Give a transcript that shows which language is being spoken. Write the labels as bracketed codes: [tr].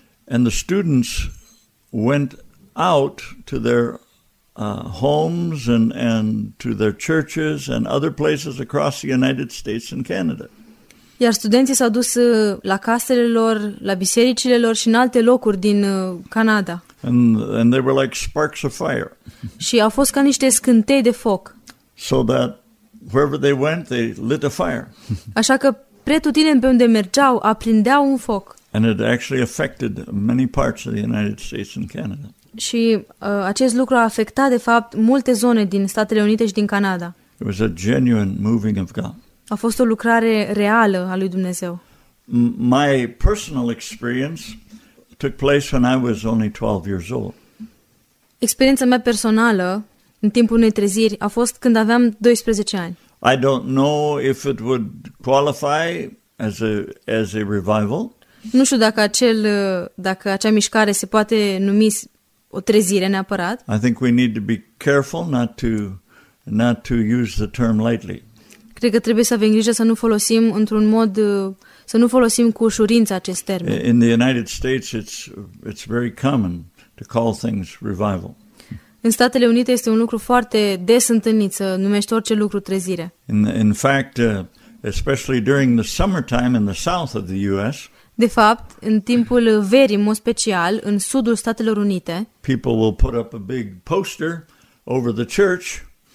[en] And the students went out to their homes and to their churches and other places across the United States and Canada. [ro] Iar studenții s-au dus la casele lor, la bisericile lor și în alte locuri din Canada. [en] And they were like sparks of fire. [ro] Și au fost ca niște scântei de foc. [en] So that wherever they went, they lit a fire. [ro] Așa că pretutindeni pe unde mergeau, aprindeau un foc. [en] And it actually affected many parts of the United States and Canada. [ro] Și acest lucru a afectat de fapt multe zone din Statele Unite și din Canada. [en] It was a genuine moving of God. [ro] A fost o lucrare reală a lui Dumnezeu. [en] My personal experience took place when I was only 12 years old. [ro] Experiența mea personală în timpul unei treziri a fost când aveam 12 ani. [en] I don't know if it would qualify as a revival. [ro] Nu știu dacă acea mișcare se poate numi o trezire neapărat. [en] I think we need to be careful not to use the term lightly. [ro] Cred că trebuie să avem grijă să nu folosim într-un mod să nu folosim cu ușurință acest termen. [en] In the United States it's very common to call things revival. [ro] În Statele Unite este un lucru foarte des întâlnit să numești orice lucru trezire. [en] In fact, especially during the summertime in the south of the US. [ro] De fapt, în timpul verii, în mod special în sudul Statelor Unite. [en] People will put up a big poster over the church.